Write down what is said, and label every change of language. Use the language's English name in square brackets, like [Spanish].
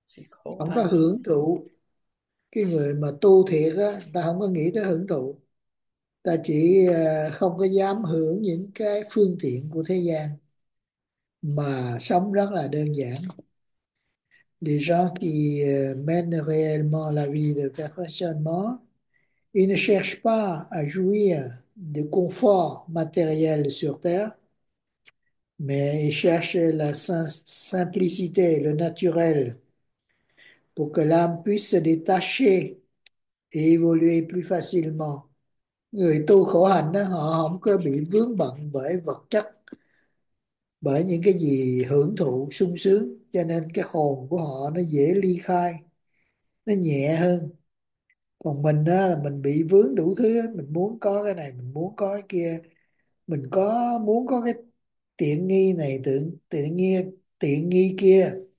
[Vietnamese] Khổ Không có hạnh. hưởng thụ. Cái người mà tu thiệt á, ta không có nghĩ tới hưởng thụ. Ta chỉ không có dám hưởng những cái phương tiện của thế gian mà sống rất là đơn giản. [French] Les gens qui mènent réellement la vie de perfectionnement, ils ne cherchent pas à jouir du confort matériel sur Terre, mais ils cherchent la simplicité, le naturel, pour que l'âme puisse se détacher et évoluer plus facilement. [Vietnamese] Người tu khổ hạnh đó, họ không có bị vướng bận bởi vật chất, bởi những cái gì hưởng thụ sung sướng, cho nên cái hồn của họ nó dễ ly khai, nó nhẹ hơn. Còn mình á, là mình bị vướng đủ thứ, mình muốn có cái này, mình muốn có cái kia, mình có muốn có cái tiện nghi này, tiện nghi kia.